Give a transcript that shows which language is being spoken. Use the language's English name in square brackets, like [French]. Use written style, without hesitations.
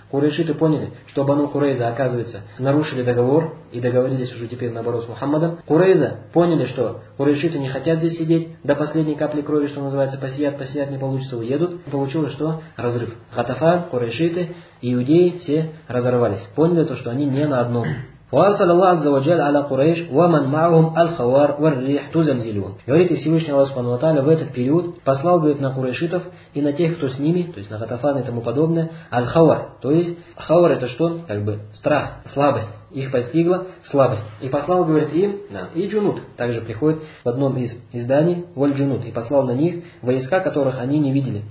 [Russian] Курайшиты поняли, что Бану Курайза, оказывается, нарушили договор и договорились уже теперь наоборот с Мухаммадом. Курайза поняли, что курайшиты не хотят здесь сидеть до последней капли крови, что называется, посидят, не получится, уедут. Получилось, что разрыв. Хатафан, курайшиты, иудеи все разорвались. Поняли то, что они не на одном. [Arabic] وارسل الله عز وجل على قريش ومن معهم الخوار والريح تزلزلون. [Russian] Говорит, и Всевышний Аллах Субхану ва Тааля в этот период послал, говорит, на курайшитов и на тех, кто с ними, то есть на Хатафан и тому подобное, аль-хавар. То есть хавар это что? Как бы страх, слабость. Их постигла слабость. И послал, говорит, им, да. И джунут. Также приходит в одном из изданий, воль джунут. И послал на них войска, которых они не видели.